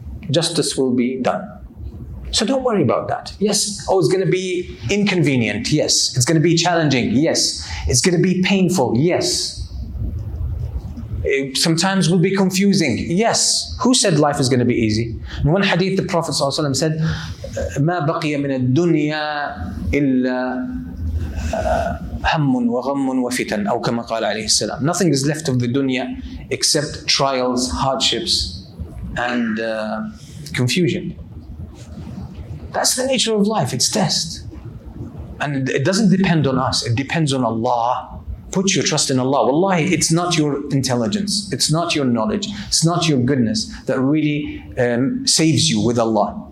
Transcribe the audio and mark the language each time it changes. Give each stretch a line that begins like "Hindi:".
English: Justice will be done. So don't worry about that. Yes, oh, it's going to be inconvenient. Yes, it's going to be challenging. Yes, it's going to be painful. Yes. It sometimes will be confusing. Yes. Who said life is going to be easy? In one hadith, the Prophet ﷺ said,
Arabic: مَا بَقِيَ مِنَ الدُّنْيَا إِلَّا هَمٌ وَغَمٌ وَفِتَنٌ أو كما قال عليه السلام.
English: Nothing is left of the dunya except trials, hardships, and confusion. That's the nature of life. It's test. And it doesn't depend on us. It depends on Allah. Put your trust in Allah. Wallahi, it's not your intelligence, it's not your knowledge, it's not your goodness that really saves you with Allah.